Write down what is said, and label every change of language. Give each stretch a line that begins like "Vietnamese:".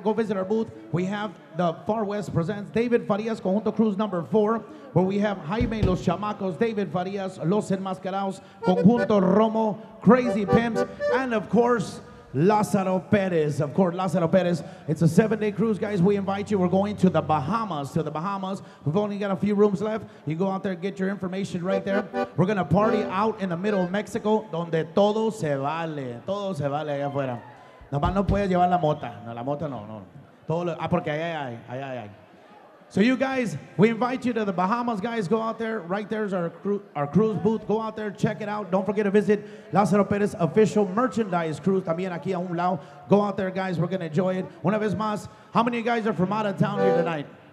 English: Go visit our booth. We have the Far West Presents, David Farias, Conjunto Cruz number 4, where we have Jaime Los Chamacos, David Farias, Los Enmascarados, Conjunto Romo, Crazy Pimps, and of course, Lázaro Pérez. Of course, Lázaro Pérez. It's a 7-day cruise, guys. We invite you. We're going to the Bahamas. To the Bahamas. We've only got a few rooms left. You go out there and get your information right there. We're going to party out in the middle of Mexico,
Spanish: donde todo se vale. Todo se vale allá afuera. Nomás no puedes llevar la mota. No, la mota no, no. Todo lo, ah, porque ahí hay, ahí hay, ahí.
English: So you guys, we invite you to the Bahamas, guys. Go out there. Right there's our cruise booth. Go out there, check it out. Don't forget to visit Lázaro Pérez official merchandise cruise.
Spanish: También aquí a un lado.
English: Go out there, guys. We're going to enjoy it.
Spanish: Una vez más,
English: how many of you guys are from out of town here tonight?